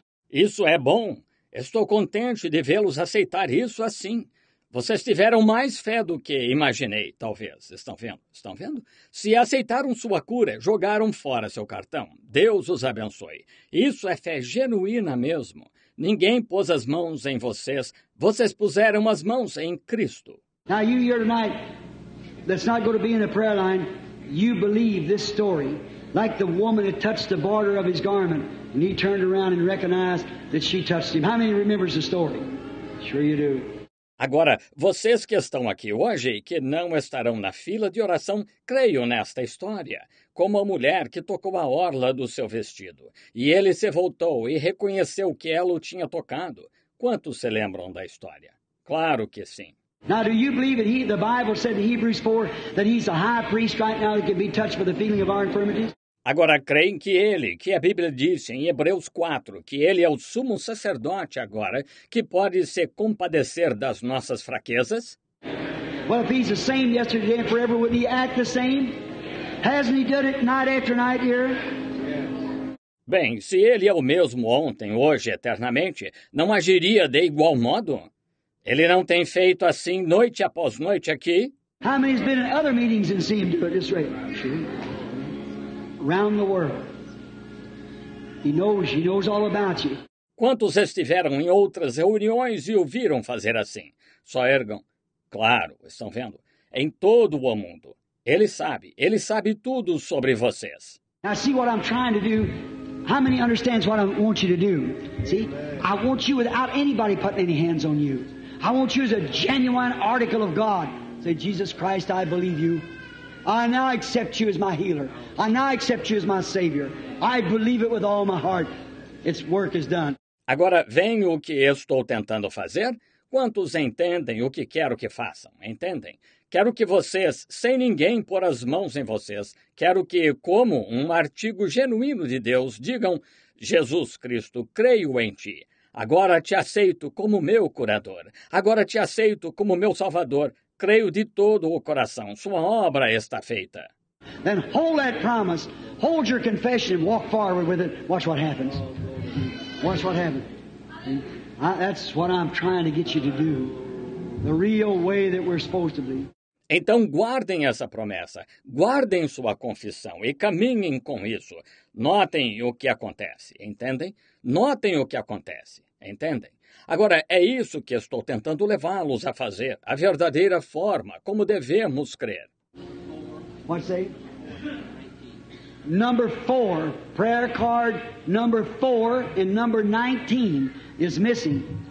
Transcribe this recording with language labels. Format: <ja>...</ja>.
<pt>Isso é bom. Estou contente de vê-los aceitar isso assim. Vocês tiveram mais fé do que imaginei, talvez. Estão vendo? Estão vendo? Se aceitaram sua cura, jogaram fora seu cartão. Deus os abençoe. Isso é fé genuína mesmo. Ninguém pôs as mãos em vocês. Vocês puseram as mãos em Cristo.</pt> <en>Now you here tonight, that's not going to be in the prayer line. You believe this story. Like the woman that touched the border of his garment. And he turned around and recognized that she touched him. How many remembers the story? Sure you do.</en> <pt>Agora, vocês que estão aqui hoje e que não estarão na fila de oração, creio nesta história, como a mulher que tocou a orla do seu vestido. E ele se voltou e reconheceu que ela o tinha tocado. Quantos se lembram da história? Claro que sim.</pt> <en>Now, do you believe that the Bible said in Hebrews 4 that he's a high priest right now that can be touched for the feeling of our infirmities?</en> <pt>Agora, creem que ele, que a Bíblia diz em Hebreus 4, que ele é o sumo sacerdote agora, que pode se compadecer das nossas fraquezas?</pt> <en>Well, if he's the same yesterday and forever, wouldn't he act the same? Hasn't he done it night after night here?</en> <pt>Bem, se ele é o mesmo ontem, hoje, eternamente, não agiria de igual modo? Ele não tem feito assim noite após noite aqui?</pt> <en>How many has been in other meetings and seen him do it this way? Around the world. He knows all about you.</en> <pt>Quantos estiveram em outras reuniões e ouviram fazer assim? Só ergam. Claro, estão vendo? Em todo o mundo. Ele sabe tudo sobre vocês.</pt> <en>Now see what I'm trying to do. How many understands what I want you to do? See? I want you without anybody putting any hands on you. I want you as a genuine article of God. Say, Jesus Christ, I believe you. I now accept you as my healer. I now accept you as my savior. I believe it with all my heart. Its work is done.</en> <pt>Agora vem o que eu estou tentando fazer. Quantos entendem o que quero que façam? Entendem? Quero que vocês, sem ninguém pôr as mãos em vocês, quero que, como um artigo genuíno de Deus, digam, Jesus Cristo, creio em ti. Agora te aceito como meu curador. Agora te aceito como meu salvador. Creio de todo o coração. Sua obra está feita.</pt> <en>Then hold that promise. Hold your confession and walk forward with it. Watch what happens. Watch what happens. That's what I'm trying to get you to do. The real way that we're supposed to be.</en> <pt>Então guardem essa promessa, guardem sua confissão e caminhem com isso. Notem o que acontece, entendem? Notem o que acontece, entendem? Agora, é isso que estou tentando levá-los a fazer, a verdadeira forma, como devemos crer.</pt> <en>What say? Number four, prayer card number four and number 19 is missing.</en>